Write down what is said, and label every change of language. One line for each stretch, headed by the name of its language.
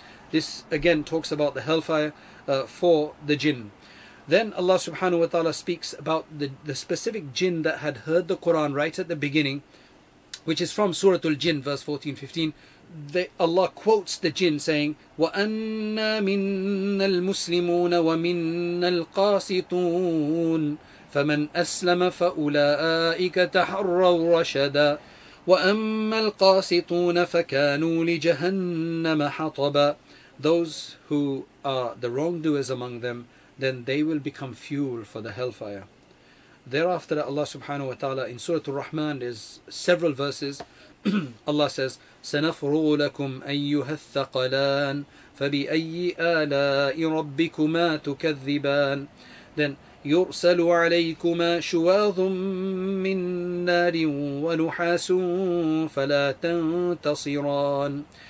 English: This again talks about the hellfire for the jinn. Then Allah subhanahu wa ta'ala speaks about the specific jinn that had heard the Quran right at the beginning, which is from Surah Al-Jinn, verse 14-15. Allah quotes the jinn saying,
Arabic: وَأَنَّا مِنَّ الْمُسْلِمُونَ وَمِنَّ الْقَاسِطُونَ فَمَنْ أَسْلَمَ فَأُولَٰئِكَ تَحَرَّوا رَشَدًا وَأَمَّا الْقَاسِطُونَ فَكَانُوا لِجَهَنَّمَ حَطَبًا.
English: Those who are the wrongdoers among them, then they will become fuel for the hellfire. Thereafter, Allah subhanahu wa ta'ala, in Surah Ar-Rahman, there's several verses. Allah says,
Arabic: سَنَفْرُغُ لَكُمْ أَيُّهَا الثَّقَلَانِ فَبِأَيِّ آلَاءِ رَبِّكُمَا تُكَذِّبَانِ.
English: Then,
Arabic: يُرْسَلُ عَلَيْكُمَا شُوَاظٌ مِّن نَارٍ وَنُحَاسٌ فَلَا تَنْتَصِرَانِ.